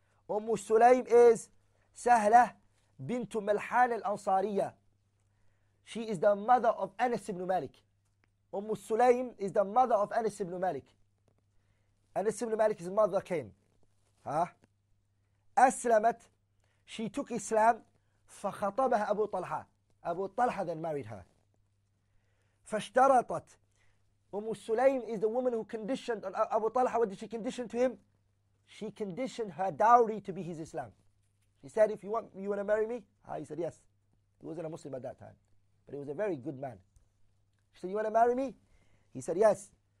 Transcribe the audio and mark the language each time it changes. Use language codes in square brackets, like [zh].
[en] أم السليم is سهلة بنت ملحان الأنصارية. She is the mother of Anas ibn Malik. أم السليم is the mother of Anas ibn Malik. Anas ibn Malik's mother came. Huh? [ar] أسلمت. [en] She took Islam. [ar] فخطبها أبو طلحة. أبو طلحة [en] then married her. [ar] فاشترطت. [en] Umm Sulaym is the woman who conditioned on Abu Talha. What did she condition to him? She conditioned her dowry to be his Islam. She said, if you want to marry me? He said, yes. He wasn't a Muslim at that time, but he was a very good man. She said, you want to marry me? He said, yes.